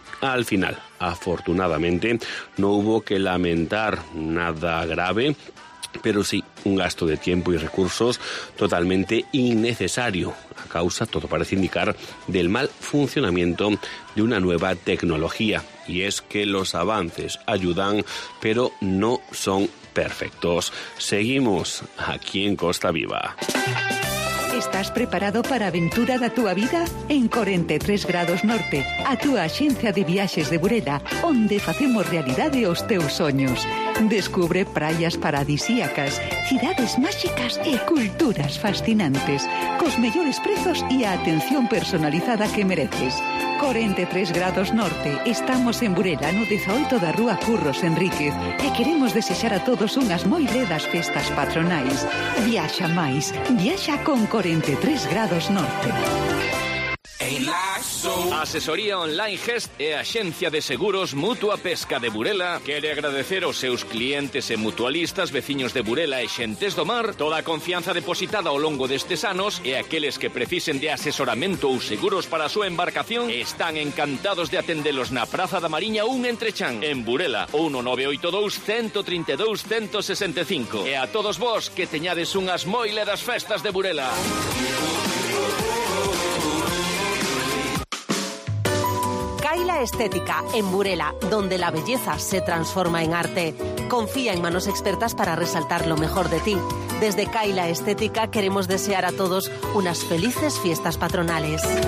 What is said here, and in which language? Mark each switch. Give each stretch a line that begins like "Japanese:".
Spanish: Al final, afortunadamente, no hubo que lamentar nada grave, pero sí un gasto de tiempo y recursos totalmente innecesario a causa, todo parece indicar, del mal funcionamiento de una nueva tecnología. Y es que los avances ayudan, pero no son perfectos. Seguimos aquí en Costa Viva.
Galician: ¿Estás preparado para a aventura da túa vida? En 43 grados norte, a túa axencia de viaxes de Burela, onde facemos realidade os teus soños. Descubre praias paradisíacas, cidades máxicas e culturas fascinantes, cos mellores prezos e a atención personalizada que mereces. 43 grados norte, estamos en Burela, no 18 da Rúa Curros Enríquez, e queremos desexar a todos unhas moi ledas festas patronais. Viaxa máis, viaxa con 43 grados norte. Asesoría Online Gest e Axencia de Seguros Mutua Pesca de Burela quere agradecer aos seus clientes e mutualistas, veciños de Burela e xentes do mar, toda a confianza depositada ao longo destes anos, e aqueles que precisen de asesoramento ou seguros para a súa embarcación, están encantados de atendelos na Praza da Mariña un entrechan, en Burela, 1982-132-165. E a todos vos, que teñades unhas moi ledas festas de Burela.
Spanish: Kaila Estética, en Burela, donde la belleza se transforma en arte. Confía en manos expertas para resaltar lo mejor de ti. Desde Kaila Estética queremos desear a todos unas felices fiestas patronales.